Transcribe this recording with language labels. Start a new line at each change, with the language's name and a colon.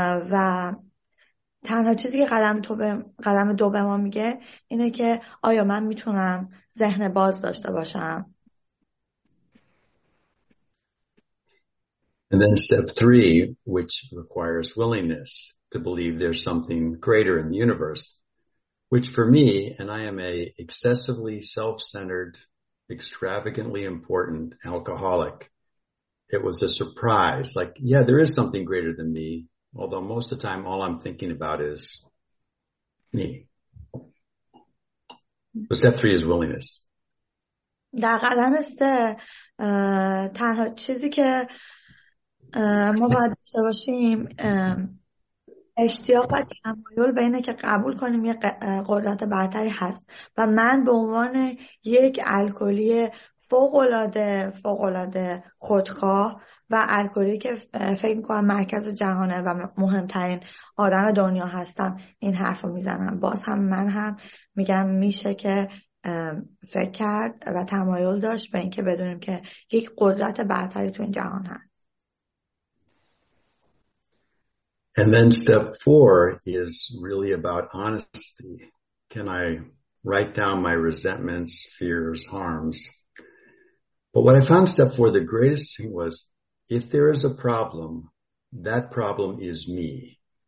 Persian: و تنها چیزی که قدم دو به ما میگه اینه که آیا من میتونم ذهن باز داشته باشم.
English: And then step three, which requires willingness to believe there's something greater in the universe, which for me, and I am a excessively self-centered, extravagantly important alcoholic, it was a surprise. Like, yeah, there is something greater than me, although most of the time all I'm thinking about is me. But step three is willingness.
Persian: در قدم سه تنها چیزی که ما باید داشته باشیم اشتیاق و تمایل به اینه که قبول کنیم یه قدرت برتری هست و من به عنوان یک الکلی فوق العاده خودخواه و الکلی که فکر میکنم مرکز جهانه و مهمترین آدم دنیا هستم این حرف رو میزنم، باز هم من هم میگم میشه که فکر کرد و تمایل داشت به اینکه بدونیم که یک قدرت برتری تو این جهان هست.
English: And then step four is really about honesty. Can I write down my resentments, fears, harms? But what I found step four, the greatest thing was, if there is a problem, that problem is me.